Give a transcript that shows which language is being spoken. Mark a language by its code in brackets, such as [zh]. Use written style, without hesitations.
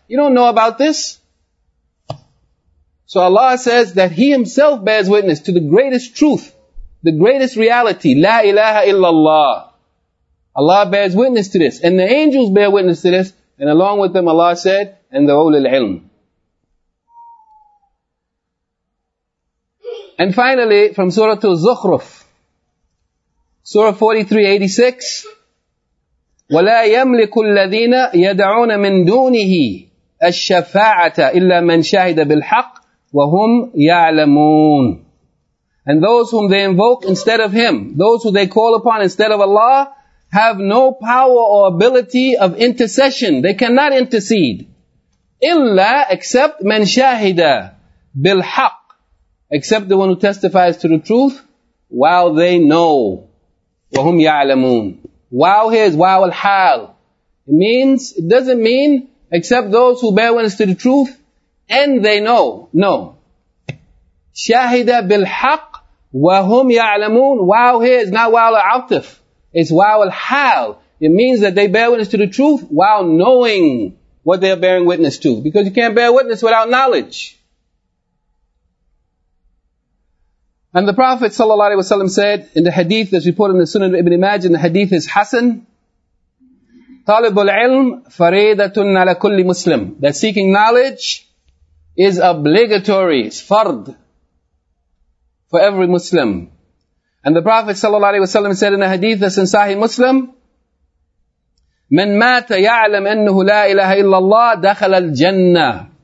[en] You don't know about this. So Allah says that He Himself bears witness to the greatest truth, the greatest reality, La ilaha illallah. Allah bears witness to this. And the angels bear witness to this. And along with them, Allah said, and the ulul ilm. And finally, from Surah Al-Zukhruf, Surah 43:86, [ar] وَلَا يَمْلِكُ الَّذِينَ يَدْعُونَ مِن دُونِهِ الشَّفَاعَةَ إِلَّا مَن شَهِدَ بِالْحَقِّ وَهُمْ يَعْلَمُونَ. [en] And those whom they invoke instead of Him, those who they call upon instead of Allah, have no power or ability of intercession. They cannot intercede. [ar] إِلَّا [en] except [ar] مَن شَهِدَ بِالْحَقِّ, [en] except the one who testifies to the truth, while they know. [ar] وَهُمْ يَعْلَمُونَ. [en] Wow here is wow al-hal. It doesn't mean except those who bear witness to the truth and they know. No. [ar] شَهِدَ بِالْحَقِّ وَهُمْ يَعْلَمُونَ. [en] Wow here is not wow al-atif. It's wow al-hal. It means that they bear witness to the truth while knowing what they are bearing witness to. Because you can't bear witness without knowledge. And the Prophet ﷺ said in the hadith that's reported in the Sunan of Ibn Majah, the hadith is Hassan. [ar] طالب العلم فريدةٌ على كل مسلم. [en] That seeking knowledge is obligatory, it's fard for every Muslim. And the Prophet ﷺ said in a hadith that's in Sahih Muslim, [ar] مَنْ مَاتَ يَعْلَمْ أَنُّهُ لَا إِلَهَ إِلَّا اللَّهِ دَخَلَ الْجَنَّةِ.